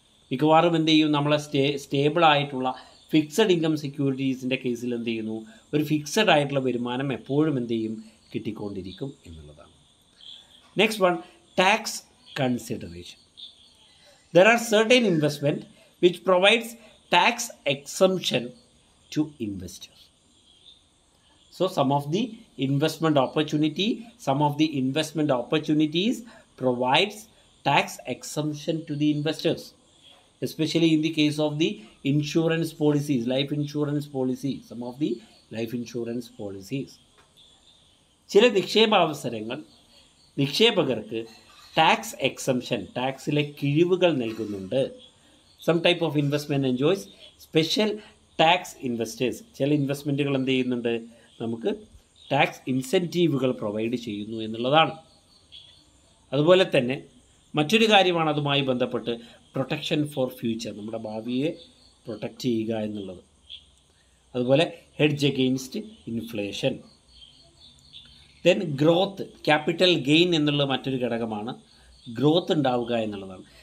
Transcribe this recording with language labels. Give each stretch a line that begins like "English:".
Malayalam: മിക്കവാറും എന്ത് ചെയ്യും, നമ്മളെ സ്റ്റേബിളായിട്ടുള്ള ഫിക്സഡ് ഇൻകം സെക്യൂരിറ്റീസിൻ്റെ കേസിൽ എന്ത് ചെയ്യുന്നു, ഒരു ഫിക്സഡ് ആയിട്ടുള്ള വരുമാനം എപ്പോഴും എന്ത് ചെയ്യും, കിട്ടിക്കൊണ്ടിരിക്കും എന്നുള്ളതാണ്.
English: Next one, tax consideration. There are certain investment which provides tax exemption to investors. So some of the investment opportunity, some of the investment opportunities provides tax exemption to the investors, especially in the case of the insurance policies, life insurance policy, some of the life insurance policies.
Malayalam: ചില നിക്ഷേപ അവസരങ്ങൾ നിക്ഷേപകർക്ക് tax exemption, ടാക്സിലെ കിഴിവുകൾ നൽകുന്നുണ്ട്.
English: Some type of investment enjoys special tax investors.
Malayalam: ചില ഇൻവെസ്റ്റ്മെൻറ്റുകൾ എന്ത് ചെയ്യുന്നുണ്ട്, നമുക്ക് ടാക്സ് ഇൻസെൻറ്റീവുകൾ പ്രൊവൈഡ് ചെയ്യുന്നു എന്നുള്ളതാണ്. അതുപോലെ തന്നെ മറ്റൊരു കാര്യമാണ് അതുമായി ബന്ധപ്പെട്ട്
English: protection for future,
Malayalam: നമ്മുടെ ഭാവിയെ പ്രൊട്ടക്റ്റ് ചെയ്യുക എന്നുള്ളത്. അതുപോലെ
English: Hedge against inflation. Then growth, capital gain
Malayalam: എന്നുള്ള മറ്റൊരു ഘടകമാണ് ഗ്രോത്ത് ഉണ്ടാവുക എന്നുള്ളതാണ്.